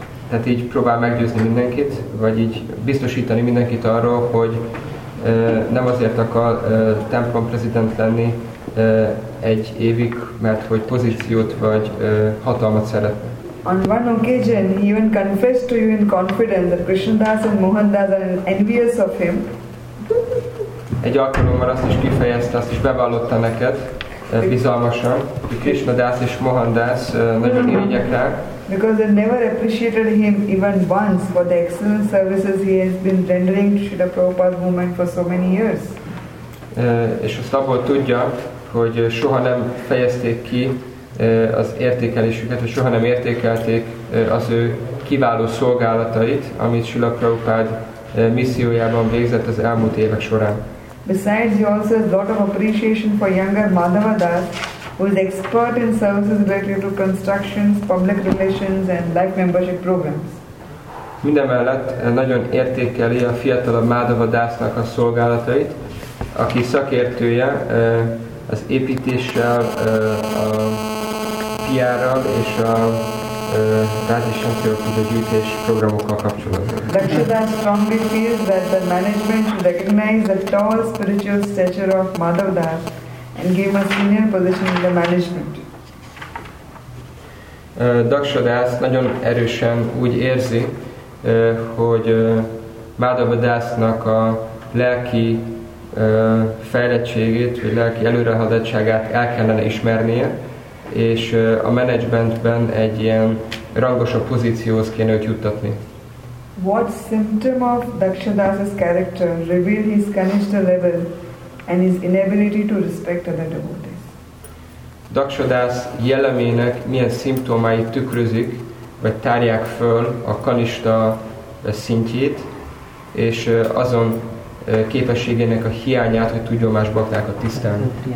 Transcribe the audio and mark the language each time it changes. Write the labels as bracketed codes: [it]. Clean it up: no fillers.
[hu] Tehát így próbál meggyőzni mindenkit, vagy így biztosítani mindenkit arról, hogy nem azért akar templom prezident lenni egy évig, mert hogy pozíciót vagy hatalmat szeretne. [en] On one occasion, he even confessed to you in confidence that Krishnadas and Mohandas are envious of him. [hu] Egy alkalommal azt is kifejezte, azt is bevallotta neked bizalmasan, hogy Krishnadas és Mohandas nagyon irigyek rá. [en] Because they never appreciated him even once for the excellent services he has been rendering to Srila Prabhupada's movement for so many years. [hu] És azt abból tudja, hogy soha nem fejezték ki az értékelésüket, és soha nem értékelték az ő kiváló szolgálatait, amit Srila Prabhupada missziójában végzett az elmúlt évek során. [en] Besides, he also has a lot of appreciation for younger Madhava Das, who is expert in services related to constructions, public relations and life membership programs. [hu] Mindemellett nagyon értékeli a fiatalabb Madhava Dasnak a szolgálatait, aki szakértője az építéssel, a PR-ral és a rádiósanciókhoz a gyűjtés programokkal kapcsolatban. [en] Dakshadas strongly feels that the management should recognize the tall spiritual stature of Madhava Das and give a senior position in the management. [hu] Dakshadas nagyon erősen úgy érzi, hogy Madhava Dasnak a lelki fejlettségét, vagy lelki előrehaladtságát el kellene ismernie, és a managementben egy ilyen rangosabb pozícióhoz kéne őt juttatni. [en] What symptom of Dakshadas's character reveal his Kanishtha level and his inability to respect other devotees? [hu] Dakshadas jellemének milyen szimptomái tükrözik, vagy tárják föl a Kanishtha szintjét, és azon képességének a hiányát, hogy tudjon más baktákat tisztelni.